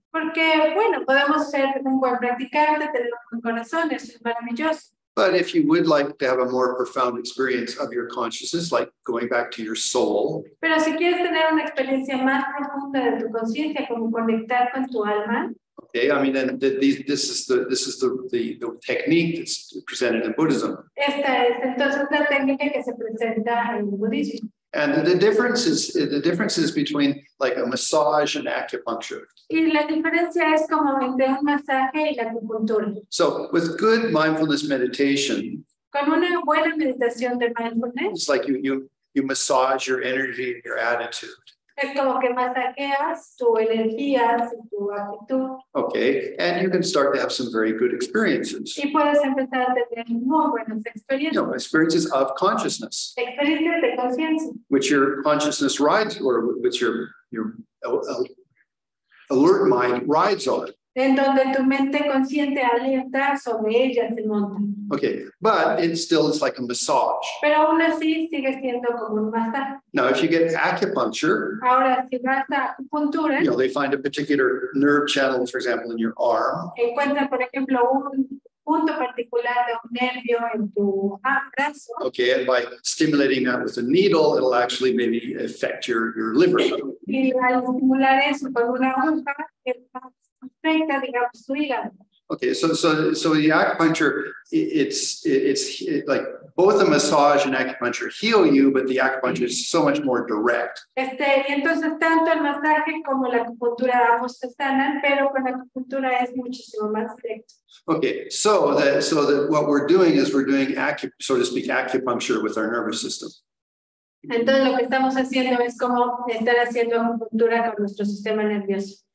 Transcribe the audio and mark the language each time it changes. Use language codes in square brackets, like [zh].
[es] Porque, bueno, podemos ser un buen practicante, tener un buen corazón, eso es maravilloso. [en] But if you would like to have a more profound experience of your consciousness, like going back to your soul. [es] Pero si quieres tener una experiencia más profunda de tu conciencia, como conectar con tu alma. [en] Okay, this is the technique that's presented in Buddhism. [es] Esta es entonces la técnica que se presenta en el budismo. [en] And the difference is between like a massage and acupuncture. [es] Y la diferencia es como entre un masaje y la acupuntura. [en] So with good mindfulness meditation, [es] con una buena meditación de mindfulness, [en] it's like you massage your energy and your attitude. [es] Es como que masajeas tu energía y tu actitud. [en] Okay, and you can start to have some very good experiences. [es] Y puedes empezar a tener muy buenas experiencias. [en] No, experiences of consciousness. [es] Experiencias de conciencia. [en] Which your consciousness rides, or which your alert mind rides on. [es] En donde tu mente consciente alienta sobre ella se monta. [en] Okay, but it still is like a massage. [es] Pero aún así sigue siendo como un masaje. [en] Now, if you get acupuncture, [es] ahora si vas a acupuntura, [en] they find a particular nerve channel, for example, in your arm. [es] Encuentra, por ejemplo, un punto particular de un nervio en tu brazo. [en] Okay, and by stimulating that with a needle, it'll actually maybe affect your liver. [es] Y al estimular eso con una aguja, afecta, digamos, tu hígado. [en] Okay, so the acupuncture, it's like both a massage and acupuncture heal you, but the acupuncture is so much more direct. [es] Y entonces tanto el masaje como la acupuntura ambos se sanan, pero con la acupuntura es muchísimo más directo. [en] Okay, so that what we're doing is we're doing acupuncture with our nervous system. [es] Entonces lo que estamos haciendo es como estar haciendo acupuntura con nuestro sistema nervioso.